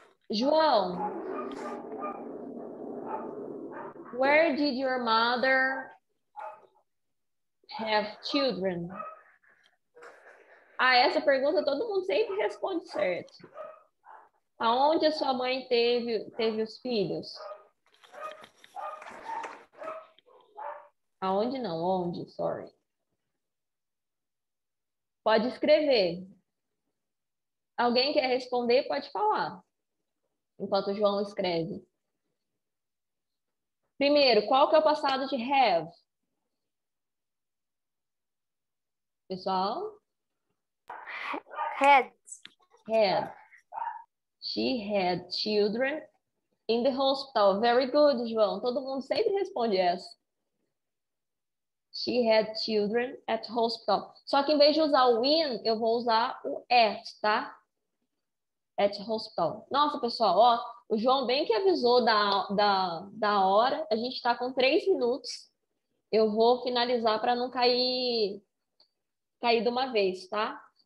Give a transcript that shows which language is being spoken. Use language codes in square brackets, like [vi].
[en] João, where did your mother have children? [pt] Ah, essa pergunta todo mundo sempre responde certo. Aonde a sua mãe teve os filhos? Aonde não? Onde? [en] Sorry. [pt] Pode escrever. Alguém quer responder, pode falar. Enquanto o João escreve. Primeiro, qual que é o passado de have? Pessoal? [en] Heads. Had. She had children in the hospital. Very good, João. [pt] Todo mundo sempre responde essa. [en] She had children at hospital. [pt] Só que em vez de usar o in, eu vou usar o at, tá? [en] At hospital. [pt] Nossa, pessoal, ó, o João bem que avisou da hora. A gente está com 3 minutos. Eu vou finalizar para não cair de uma vez, tá?